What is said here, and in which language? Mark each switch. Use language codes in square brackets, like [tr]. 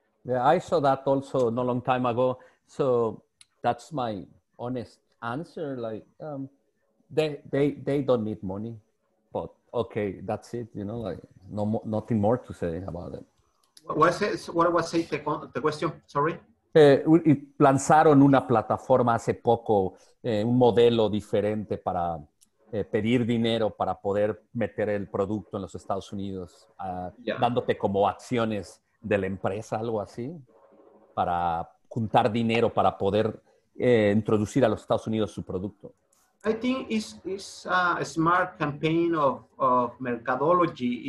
[en] Yeah, I saw that also not a long time ago. So that's my honest answer. Like, they don't need money, but okay, that's it. You know, like, nothing more to say about it. What was the question? Sorry. [es] Lanzaron una plataforma hace poco, un modelo diferente para pedir dinero para poder meter el producto en los Estados Unidos, dándote como acciones de la empresa, algo así, para juntar dinero para poder introducir a los Estados Unidos su producto. [en] I think it's a smart campaign of mercadology.